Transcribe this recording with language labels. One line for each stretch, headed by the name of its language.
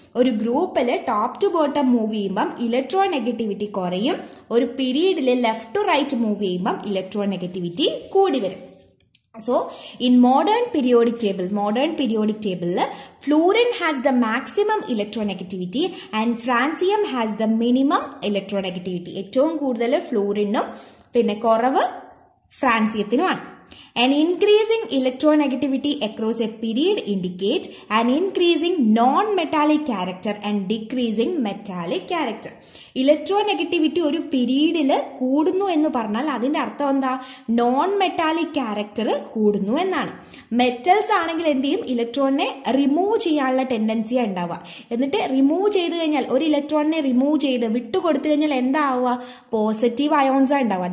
Malayalam: ഒരു ഗ്രൂപ്പിൽ top two bottom move ചെയ്യുമ്പം ഇലക്ട്രോ നെഗറ്റിവിറ്റി കുറയും, ഒരു പീരീഡിൽ ലെഫ്റ്റ് ടു റൈറ്റ് മൂവ് ചെയ്യുമ്പം ഇലക്ട്രോ നെഗറ്റിവിറ്റി കൂടി വരും.
English: so in modern periodic table,
Malayalam: modern periodic ടേബിളിൽ
English: Fluorine has the maximum electronegativity and francium has the minimum electronegativity.
Malayalam: ഏറ്റവും കൂടുതൽ ഫ്ലൂറിനും പിന്നെ കുറവ് ഫ്രാൻസിയത്തിനുമാണ്.
English: An increasing electronegativity across a period indicates an increasing non-metallic character and decreasing metallic character.
Malayalam: Electronegativity ഒരു പീരീഡിൽ കൂടുന്നു എന്ന് പറഞ്ഞാൽ അതിൻ്റെ അർത്ഥം എന്താ, നോൺ മെറ്റാലിക് ക്യാരക്ടർ കൂടുന്നു എന്നാണ്. മെറ്റൽസ് ആണെങ്കിൽ എന്ത് ചെയ്യും, ഇലക്ട്രോണിനെ റിമൂവ് ചെയ്യാനുള്ള ടെൻഡൻസിയാണ് ഉണ്ടാവുക. എന്നിട്ട് റിമൂവ് ചെയ്ത് കഴിഞ്ഞാൽ, ഒരു ഇലക്ട്രോണിനെ റിമൂവ് ചെയ്ത് വിട്ടുകൊടുത്തു കഴിഞ്ഞാൽ എന്താവുക, പോസിറ്റീവ് അയോൺസാണ് ഉണ്ടാവുക.